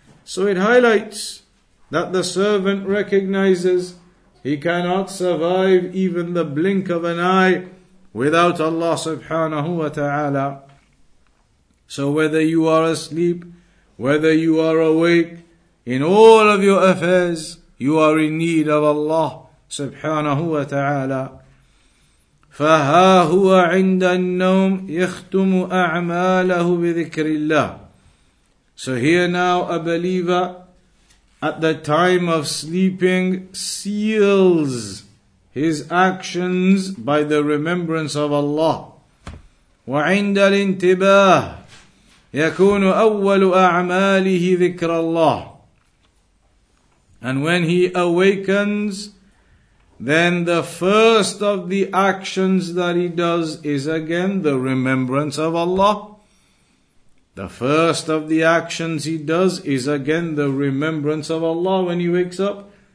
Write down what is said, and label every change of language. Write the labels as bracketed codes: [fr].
[en] So it highlights that the servant recognizes he cannot survive even the blink of an eye without Allah subhanahu wa ta'ala. So whether you are asleep, whether you are awake, in all of your affairs, you are in need of Allah subhanahu wa ta'ala. [ar] فها هو عند النوم يختم أعماله بذكر الله. [en] So here now a believer at the time of sleeping seals his actions by the remembrance of Allah. [ar] وعند الانتباه يكون أول أعماله ذكر الله. [en] And when he awakens, then the first of the actions that he does is again the remembrance of Allah. The first of the actions he does is again the remembrance of Allah when he wakes up.